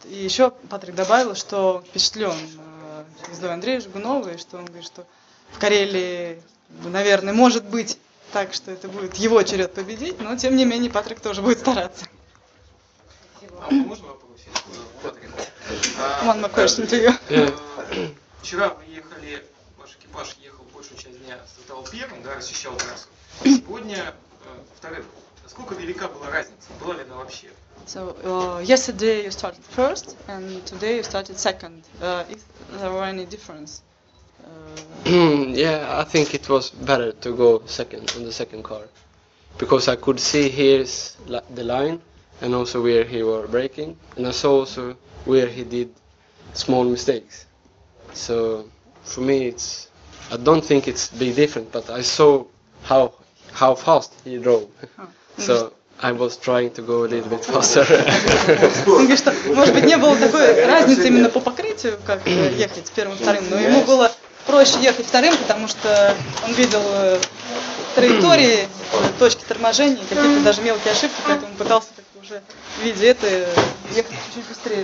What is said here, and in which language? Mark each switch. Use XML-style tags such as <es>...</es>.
<ru>И еще Патрик добавил, что впечатлен звездой Андрея Жигунова, и что он говорит, что в Карелии, наверное, может быть так, что это будет его черед победить, но тем не менее Патрик тоже будет стараться. Спасибо. А можно вопросить? Патрик. Вчера мы ехали, ваш экипаж ехал большую часть дня, стал первым, да, расчищал трассу. Сегодня вторым. Насколько велика была разница? Была ли она вообще?</ru> <en>So yesterday you started first and today you started second. Is there any difference? Yeah, I think it was better to go second on the second car, because I could see here's the line, and also where he were braking, and I saw also where he did small mistakes. So for me, I don't think it's big different, but I saw how fast he drove. Oh. So I was trying to go a little bit faster.</en> <ru>Он говорит, что, может быть, не было такой разницы именно по покрытию, как ехать первым, вторым, но ему было проще ехать вторым, потому что он видел траектории, точки торможения, какие-то даже мелкие ошибки, поэтому он пытался как уже в виде это ехать чуть-чуть быстрее.</ru>